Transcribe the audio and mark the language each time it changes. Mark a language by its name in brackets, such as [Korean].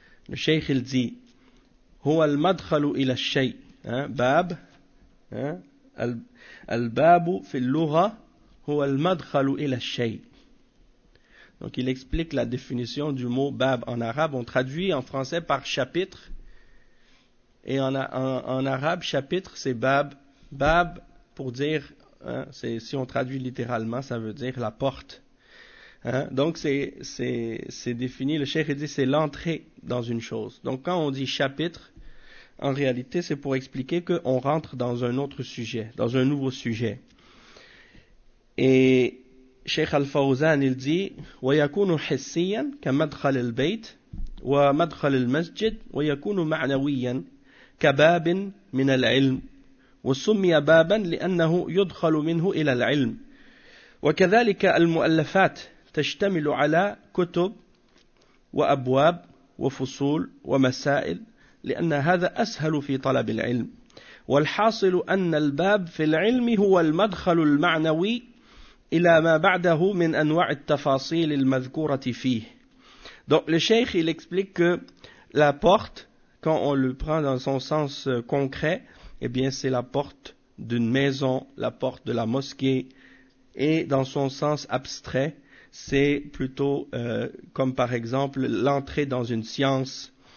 [Arabic] الشيخ الزي هو المدخل إلى الشيء، باب، الباب في اللغة هو المدخل إلى الشيء. [French] Donc il explique la définition du mot bab en arabe. On traduit en français par chapitre. Et en arabe, chapitre, c'est bab. Bab, pour dire, c'est, si on traduit littéralement, ça veut dire la porte. Donc c'est défini, le cheikh dit, c'est l'entrée dans une chose. Donc quand on dit chapitre, en réalité, c'est pour expliquer qu'on rentre dans un autre sujet, dans un nouveau sujet. Et Cheikh Al-Fawzan, il dit, [Arabic] وَيَكُونُ حِسِّيًا كَمَدْخَلِ الْبَيْتِ وَمَدْخَلِ الْمَسْجِدِ وَيَكُونُ مَعْنَوِيًا كَبَابٍ مِنَ الْعِلْمِ وَسُمِّيَ بَابًا لِأَنَّهُ يُدْخَلُ مِنْهُ إِلَى الْعِلْمِ وَكَذَلِكَ الْمُؤَلَّفَاتِ تَشْتَمِلُ عَلَى كُتُبٍ وَأَبْوَابٍ وَفُصُولٍ وَمَسَائِلِ لأن هذا أسهل في طلب العلم والحاصل أن الباب في العلم هو المدخل المعنوي إلى ما بعده من أنواع التفاصيل المذكورة فيه. [French] Donc le cheikh il explique que la porte, quand on le prend dans son sens concret, eh bien c'est la porte d'une maison, la porte de la mosquée, et dans son sens abstrait, c'est plutôt comme par exemple l'entrée dans une science.